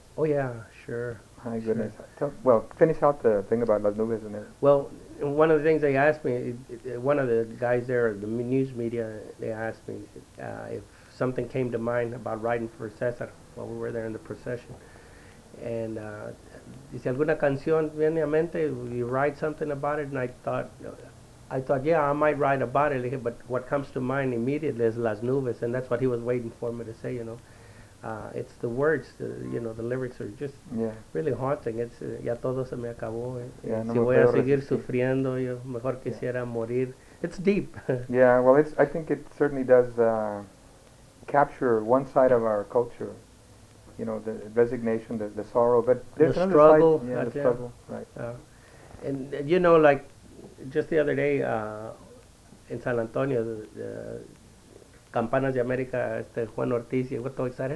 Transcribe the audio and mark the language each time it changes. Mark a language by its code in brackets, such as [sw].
[en] Oh, yeah, sure. My sure. Goodness. Well, finish out the thing about Las Nubes and everything. Well, one of the things they asked me, one of the guys there, the news media, they asked me if something came to mind about writing for Cesar while we were there in the procession. [es] And dice, ¿alguna canción viene a mente? [en] You write something about it? And I thought, yeah, I might write about it, but what comes to mind immediately is Las Nubes, and that's what he was waiting for me to say, you know. It's the words, the lyrics are just really haunting. [es] It's, ya todo se me acabó. Si voy a seguir sufriendo, yo mejor quisiera morir. [en] It's deep. Yeah, well, I think it certainly does capture one side of our culture. You know, the resignation, the sorrow, but there's the struggle. Side, yeah, the struggle, right. And you know, like, just the other day, in San Antonio, the Campanas de America, Juan Ortiz, he was so excited.